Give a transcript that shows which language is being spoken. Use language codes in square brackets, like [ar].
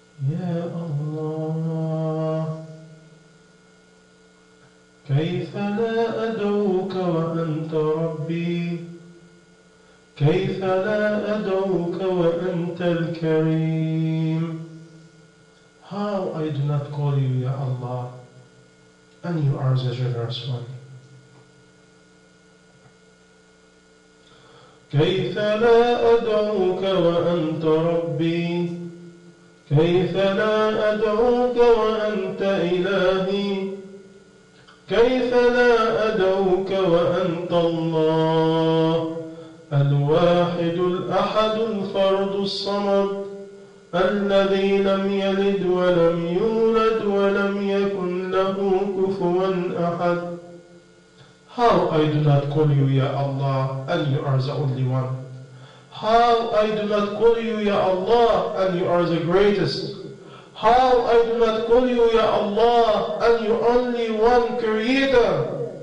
[ar] Ya Allah, كيف لا أدعوك وأنت ربي, كيف لا أدعوك وأنت الكريم. [en] How I do not call you, Ya Allah, and you are the generous one. [ar] كيف لا أدعوك وأنت ربي, كيف لا أدعوك وأنت إلهي, كيف لا أدعوك وأنت الله الواحد الأحد الفرد الصمد الذي لم يلد ولم يولد ولم يكن له كفوا أحد. [en] How I do not call you, Ya Allah, and you are the only one. How I do not call you, Ya Allah, and you are the greatest. How I do not call you, Ya Allah, and you only one creator.